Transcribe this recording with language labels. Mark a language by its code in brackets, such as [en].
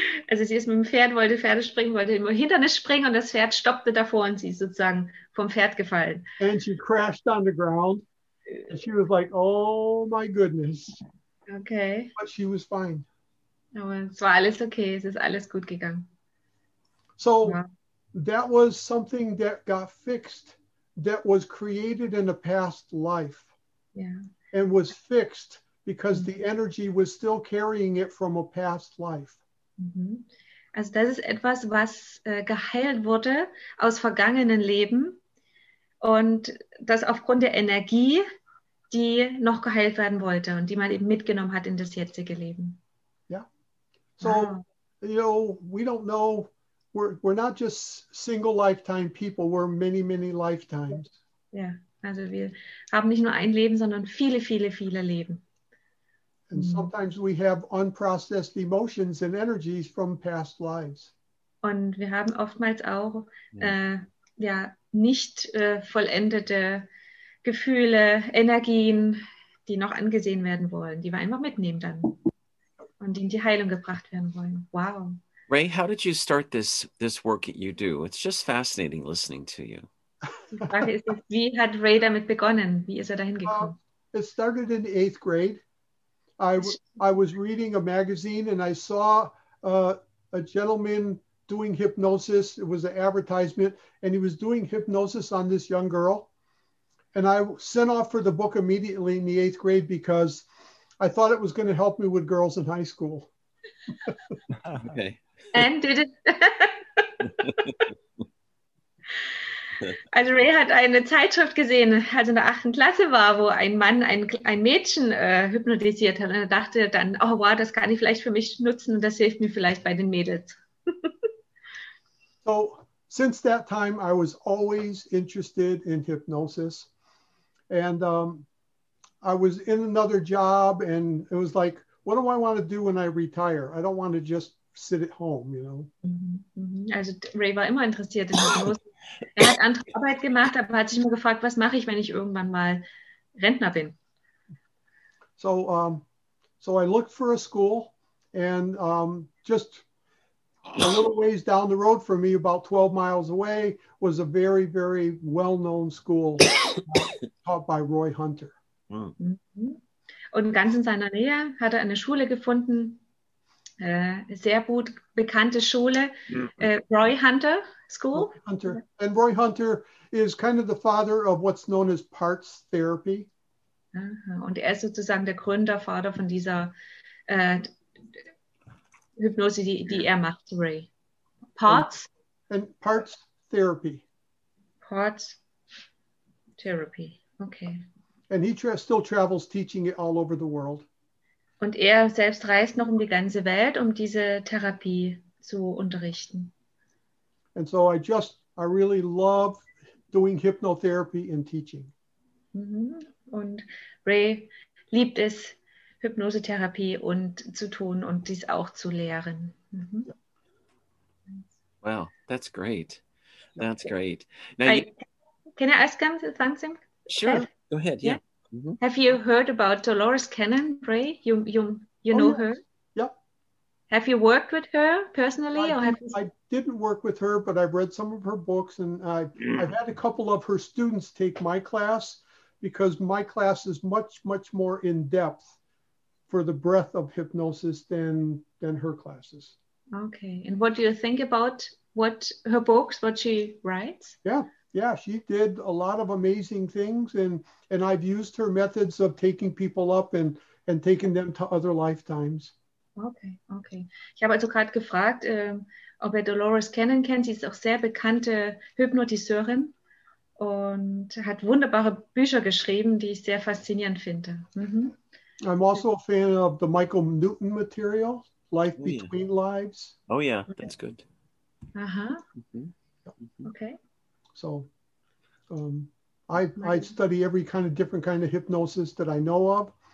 [de] Also sie ist mit dem Pferd, wollte Pferde springen, wollte im Hindernis springen und das Pferd stoppte davor und sie ist sozusagen vom Pferd gefallen. [en] And she crashed on the ground. And she was like, oh my goodness. Okay. But she was fine. [de] Aber es war alles okay, es ist alles gut gegangen. So, ja. [en] That was something that got fixed, that was created in a past life. Yeah. And was fixed because the energy was still carrying it from a past life. [de] Also das ist etwas, was geheilt wurde aus vergangenen Leben und das aufgrund der Energie, die noch geheilt werden wollte und die man eben mitgenommen hat in das jetzige Leben. [en] So, you know, we don't know, we're not just single lifetime people, we're many, many lifetimes. [de] Yeah, also wir haben nicht nur ein Leben, sondern viele, viele, viele Leben. [en] And sometimes we have unprocessed emotions and energies from past lives. [de] Und wir haben oftmals auch nicht vollendete Gefühle, Energien, die noch angesehen werden wollen, die wir einfach mitnehmen dann. Und in die Heilung gebracht werden wollen. Wow. [en] Ray, how did you start this work that you do? It's just fascinating listening to you. [de] Die Frage ist, wie hat Ray damit begonnen? Wie ist er dahin gekommen? [en] It started in the 8th grade. I was reading a magazine and I saw a gentleman doing hypnosis. It was an advertisement and he was doing hypnosis on this young girl. And I sent off for the book immediately in the 8th grade because I thought it was going to help me with girls in high school. Okay. And did it? [de] Also Ray hat eine Zeitschrift gesehen, als er in der 8. Klasse war, wo ein Mann ein Mädchen hypnotisiert hat. Und er dachte dann, oh wow, das kann ich vielleicht für mich nutzen und das hilft mir vielleicht bei den Mädels. [en] So, since that time, I was always interested in hypnosis. And I was in another job and it was like, what do I want to do when I retire? I don't want to just sit at home, you know? [de] Also Ray war immer interessiert in Hypnosis. Er hat andere Arbeit gemacht, aber hat sich immer gefragt, was mache ich, wenn ich irgendwann mal Rentner bin? [en] So so I looked for a school and just a little ways down the road from me, about 12 miles away, was a very, very well-known school taught by Roy Hunter. Mm. [de] Und ganz in seiner Nähe hat er eine Schule gefunden, sehr gut bekannte Schule, Roy Hunter School. Roy Hunter. [en] And Roy Hunter is kind of the father of what's known as parts therapy. [de] Und er ist sozusagen der Gründervater von dieser Hypnose, die er macht, Ray. Parts? [en] And parts therapy. Heart Therapy. Okay. And he still travels teaching it all over the world. [de] Und er selbst reist noch die ganze Welt, diese Therapie zu unterrichten. [en] And so I really love doing hypnotherapy and teaching. [de] Und Ray liebt es, Hypnosetherapie und zu tun und dies auch zu lehren. [en] Mm-hmm. Wow, that's great. That's great. Now can I ask something? Sure, go ahead. Yeah. Mm-hmm. Have you heard about Dolores Cannon, Ray? You know her? Yeah. Have you worked with her personally? I didn't work with her, but I've read some of her books, and I've had a couple of her students take my class, because my class is much, much more in depth for the breadth of hypnosis than her classes. Okay. And what do you think about what she writes? Yeah, she did a lot of amazing things, and I've used her methods of taking people up and taking them to other lifetimes. Okay. [de] Ich habe also gerade gefragt, ob ihr Dolores Cannon kennt. Sie ist auch sehr bekannte Hypnotiseurin und hat wunderbare Bücher geschrieben, die ich sehr faszinierend finde. Mm-hmm. [en] I'm also a fan of the Michael Newton material, Life Between Lives. Oh yeah, that's good. Aha. Mm-hmm. Okay. So I study every kind of hypnosis that I know of.